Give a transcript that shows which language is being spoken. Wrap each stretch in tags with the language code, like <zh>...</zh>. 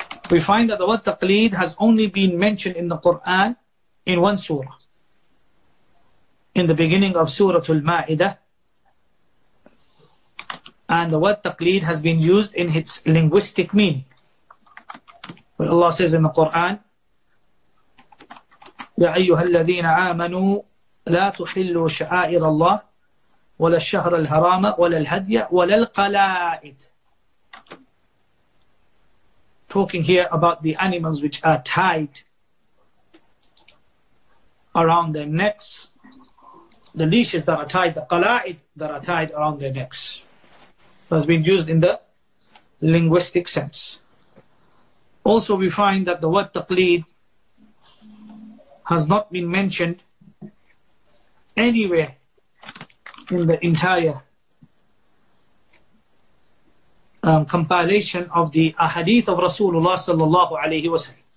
<en>We find that the word taqlid has only been mentioned in the Quran in one surah. In the beginning of Surah Al-Ma'idah. And the word taqlid has been used in its linguistic meaning. Where Allah says in the Quran,</en> <ar>يَا أَيُّهَا الَّذِينَ آمَنُوا لَا تُحِلُّوا شَعَائِرَ اللَّهِ وَلَا الشَّهْرَ الْهَرَامَ وَلَا الْهَدْيَ وَلَا الْقَلَائِدِ.</ar> <en>talking here about the animals which are tied around their necks, the leashes that are tied, the qala'id that are tied around their necks. So it's been used in the linguistic sense. Also, we find that the word taqlid has not been mentioned anywhere in the entire compilation of the ahadith of Rasulullah sallallahu alayhi wa sallam.</en>